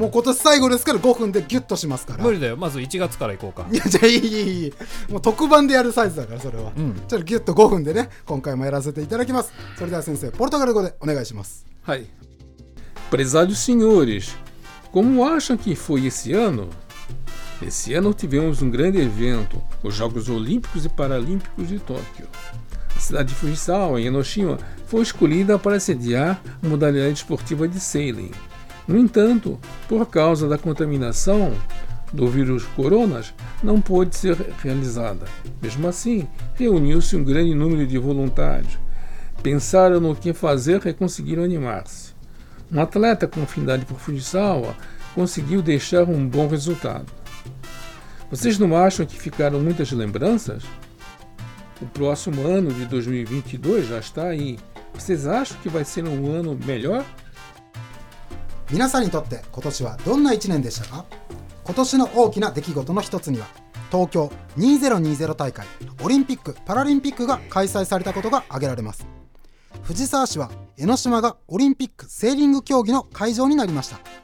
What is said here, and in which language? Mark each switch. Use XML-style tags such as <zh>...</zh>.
<ja>もう今年最後ですから5分でギュッとしますから。無理だよ、まず1月から行こうか。いや、じゃあいい、もう特番でやるサイズだからそれは、うん、ちょっとギュッと5分でね、今回もやらせていただきます。それでは先生、ポルトガル語でお願いします。</ja> <pt>はい、プレザルシニョリス、コモアシャンキフォイエシアノ。 Esse ano tivemos um grande evento, os Jogos Olímpicos e Paralímpicos de Tóquio. A cidade de Fujisawa, em Enoshima, foi escolhida para sediar a modalidade esportiva de sailing. No entanto, por causa da contaminação do vírus coronas, não pôde ser realizada. Mesmo assim, reuniu-se um grande número de voluntários. Pensaram no que fazer e conseguiram animar-se. Um atleta com afinidade por Fujisawa conseguiu deixar um bom resultado. Vocês não acham que ficaram muitas lembranças? O próximo ano de 2022 já está aí. Vocês acham que vai ser um ano melhor?</pt> <ja>皆さんにとって今年はどんな1年でしたか？今年の大きな出来事の一つには、東京2020大会、オリンピック・パラリンピックが開催されたことが挙げられます。藤沢市は江ノ島がオリンピックセーリング競技の会場になりました。</ja>